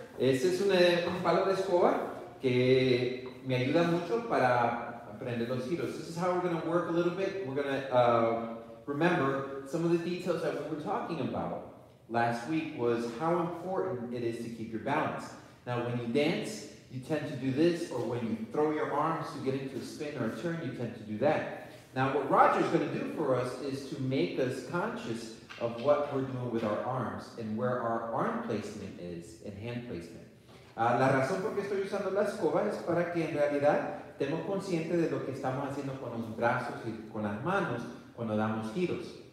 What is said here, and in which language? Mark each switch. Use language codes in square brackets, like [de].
[es] Este es un palo de escoba que me ayuda mucho para aprender los giros. [en] This is how we're going to work a little bit. We're going to remember some of the details that we were talking about last week was how important it is to keep your balance. Now, when you dance, you tend to do this, or when you throw your arms to get into a spin or a turn, you tend to do that. Now, what Roger's going to do for us is to make us conscious of what we're doing with our arms and where our arm placement is and hand placement. [es] La razón por qué estoy usando la escoba es para que en realidad estemos conscientes de lo que estamos haciendo con los brazos y con las manos cuando damos giros.